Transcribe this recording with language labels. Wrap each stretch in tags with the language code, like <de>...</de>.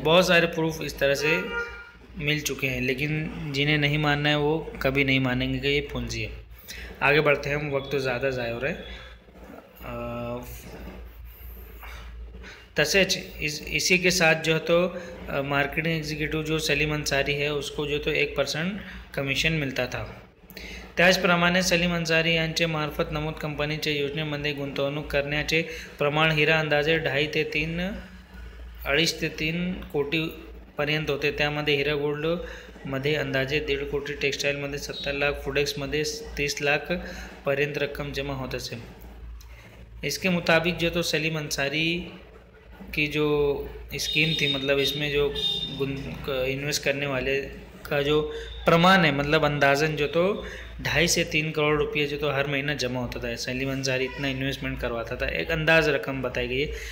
<hi>बहुत सारे प्रूफ इस तरह से मिल चुके हैं लेकिन जिन्हें नहीं मानना है वो कभी नहीं मानेंगे कि ये पोंजी है. आगे बढ़ते हैं, हम वक्त तो ज़्यादा ज़ाय हो रहा है. तसेच इसी के साथ जो है तो मार्केटिंग एग्जीक्यूटिव जो सलीम अंसारी है उसको जो तो 1% कमीशन मिलता था.</hi> <mr>त्याचप्रमाणे सलीम अंसारी यांच्या मार्फत नमूद कंपनीच्या योजनेमध्ये गुंतवणूक करण्याचे प्रमाण हिरा अंदाजे 2.5 ते 3 कोटीपर्यंत होते. त्यामध्ये हिरा गोल्डमध्ये अंदाजे 1.5 कोटी, टेक्सटाईलमध्ये 70 लाख, फुडेक्समध्ये 30 लाखपर्यंत रक्कम जमा होत असे.</mr> <hi>इसके मुताबिक जो तो सलीम अंसारी की जो स्कीम थी, मतलब इसमें जो इन्वेस्ट करने वाले का जो प्रमाण है, मतलब अंदाजन जो तो 2.5 से 3 करोड़ रुपये जो तो हर महीना जमा होता था. सलीम अंसारी इतना इन्वेस्टमेंट करवाता था, एक अंदाज रकम बताई गई है.</hi>